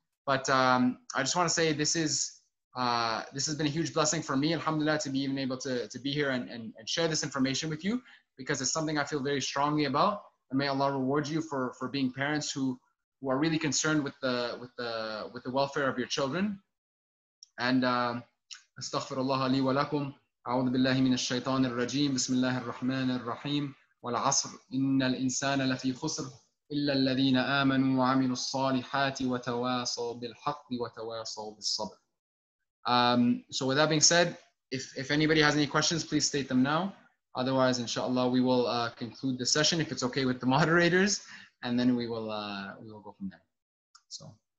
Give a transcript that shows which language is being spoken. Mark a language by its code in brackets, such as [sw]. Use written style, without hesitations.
[en] But I just want to say this has been a huge blessing for me, alhamdulillah, to be even able to be here and share this information with you, because it's something I feel very strongly about. And may Allah reward you for being parents who are really concerned with the welfare of your children. [ar] And استغفر الله لي ولكم أعوذ بالله من الشيطان الرجيم بسم الله الرحمن الرحيم والعصر إن الإنسان لفي خسر إلا الذين آمنوا وعملوا الصالحات وتواصوا بالحق وتواصوا بالصبر. [en] So with that being said, if anybody has any questions, please state them now. Otherwise, inshallah, we will conclude the session if it's okay with the moderators, and then we will go from there. So.